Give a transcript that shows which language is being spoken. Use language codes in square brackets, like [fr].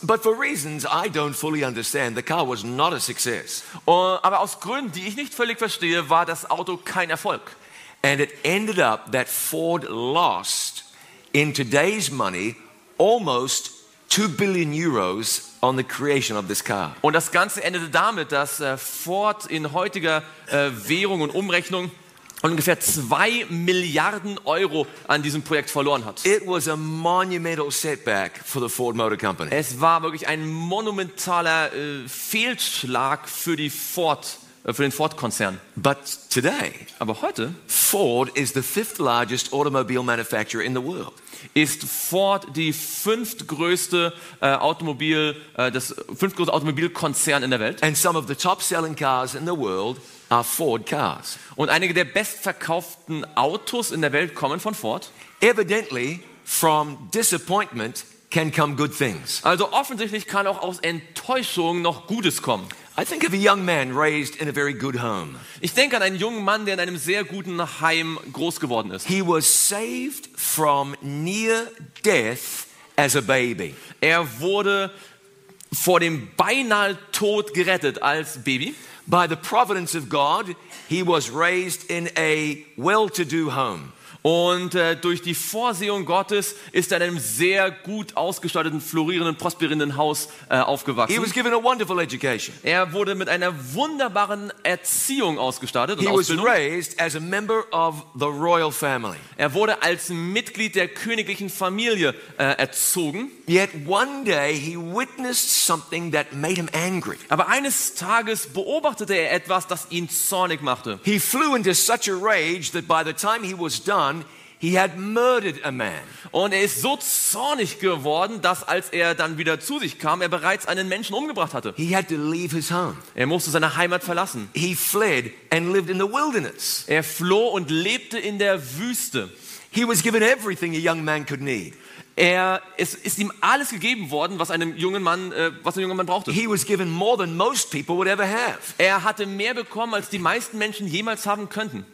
[en] But for reasons I don't fully understand, the car was not a success. [de] Aber aus Gründen, die ich nicht völlig verstehe, war das Auto kein Erfolg. [en] And it ended up that Ford lost in today's money almost 2 billion euros on the creation of this car. [de] Und das Ganze endete damit, dass Ford in heutiger Währung und Umrechnung ungefähr 2 Milliarden Euro an diesem Projekt verloren hat. [en] It was a monumental setback for the Ford Motor Company. [de] Es war wirklich ein monumentaler Fehlschlag für die Ford, für den Ford-Konzern. [en] But today, [de] aber heute, [en] Ford is the fifth largest automobile manufacturer in the world. [de] Ist Ford die fünftgrößte Automobil das fünftgrößte Automobilkonzern in der Welt? [en] And some of the top selling cars in the world are Ford cars. [de] Und einige der bestverkauften Autos in der Welt kommen von Ford. [en] Evidently, from disappointment can come good things. [de] Also offensichtlich kann auch aus Enttäuschung noch Gutes kommen. [en] I think of a young man raised in a very good home. [de] Ich denke an einen jungen Mann, der in einem sehr guten Heim groß geworden ist. [en] He was saved from near death as a baby. [de] Er wurde vor dem beinahe Tod gerettet als Baby. [en] By the providence of God, he was raised in a well-to-do home. [de] Und durch die Vorsehung Gottes ist er in einem sehr gut ausgestatteten, florierenden, prosperierenden Haus aufgewachsen. [en] He was given a wonderful education. [de] Er wurde mit einer wunderbaren Erziehung ausgestattet und [en] He was raised as a member of the royal family. [de] Er wurde als Mitglied der königlichen Familie erzogen. [en] Yet one day he witnessed something that made him angry. [de] Aber eines Tages beobachtete er etwas, das ihn zornig machte. [en] He flew into such a rage that by the time he was done, he had murdered a man. [de] Und ist so zornig geworden, dass als dann wieder zu sich kam, bereits einen Menschen umgebracht hatte. [en] He had to leave his home. [de] Musste seine Heimat verlassen. [en] He fled and lived in the wilderness. [de] Floh und lebte in der Wüste. [en] He was given everything a young man could need. [de] Es ist ihm alles gegeben worden, was ein junger Mann brauchte. [en] He was given more than most people would ever have. [de] Hatte mehr bekommen, als die meisten Menschen jemals haben könnten.